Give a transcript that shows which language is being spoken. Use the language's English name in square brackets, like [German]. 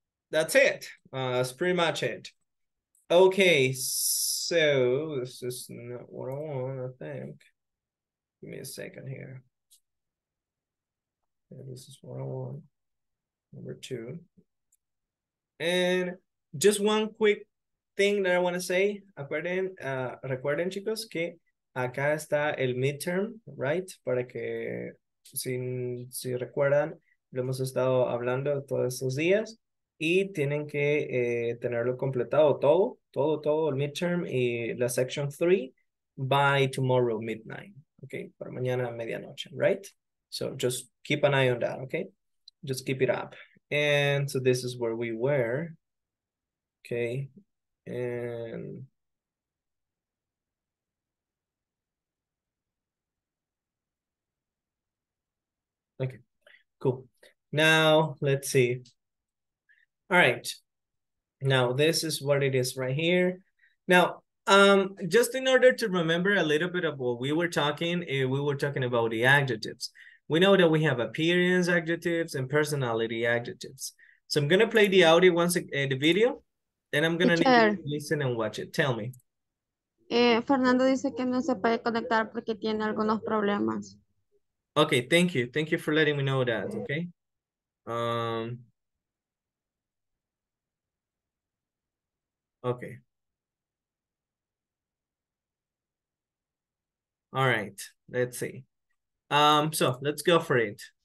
[English] That's it. That's pretty much it. Okay, so this is not what I want, I think. Give me a second here. Yeah, this is what I want. Number two. And just one quick thing that I want to say. [Spanish] Recuerden, chicos, que acá está el midterm, [English] right? [Spanish] Para que, si recuerdan, lo hemos estado hablando todos estos días. Y tienen que tenerlo completado todo el midterm y la section 3 [English] by tomorrow midnight. [Spanish] Okay, para mañana medianoche, [English] right? So just keep an eye on that, okay? Just keep it up. And so this is where we were, okay? And okay, cool. Now, let's see. All right, now this is what it is right here. Now, just in order to remember a little bit of what we were talking about the adjectives. We know that we have appearance adjectives and personality adjectives. So I'm going to play the audio once the video, and I'm going to need to listen and watch it. Tell me. [Spanish] Fernando dice que no se puede conectar porque tiene algunos problemas. [English] Okay, thank you. Thank you for letting me know that, okay? Okay. All right, let's see. So let's go for it.